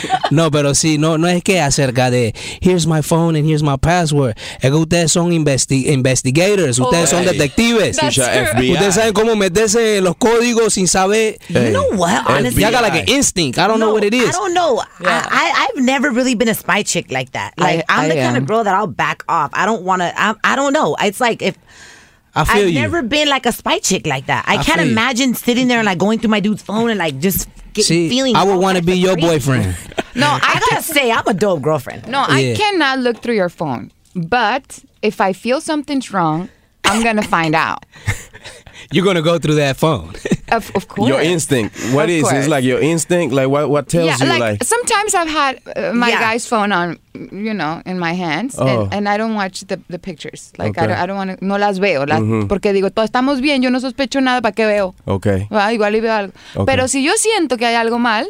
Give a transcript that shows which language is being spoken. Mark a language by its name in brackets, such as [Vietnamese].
[Spanish] No, pero sí, no es que acerca de [English] here's my phone and here's my password. [Spanish] Es que ustedes son investigators, ustedes son detectives. [English] That's true. [Spanish] Ustedes saben cómo meterse en los códigos sin saber. [English] Hey. You know what? Honestly, y'all got like an instinct. I don't know what it is. I don't know. Yeah. I've never really been a spy chick like that. Like I'm the kind of girl that I'll back off. I don't know. It's like if. I feel I've you. Never been like a spy chick like that. I can't imagine you. Sitting there and like going through my dude's phone and like just feeling. I would want to be your boyfriend. No, I gotta say, I'm a dope girlfriend. No, yeah. I cannot look through your phone. But if I feel something's wrong, I'm gonna find out. You're gonna go through that phone. Of course. Your instinct. What of is course. It's like your instinct? Like what tells yeah, you? Like sometimes I've had my guy's phone on, you know, in my hands, and I don't watch the pictures. Like okay. I don't want to. [Spanish] No las veo. Las, [English] mm-hmm. [Spanish] Porque digo, todos estamos bien. Yo no sospecho nada. ¿Para qué veo? [English] Okay. [Spanish] Well, igual y veo algo. [English] Okay. [Spanish] Pero si yo siento que hay algo mal,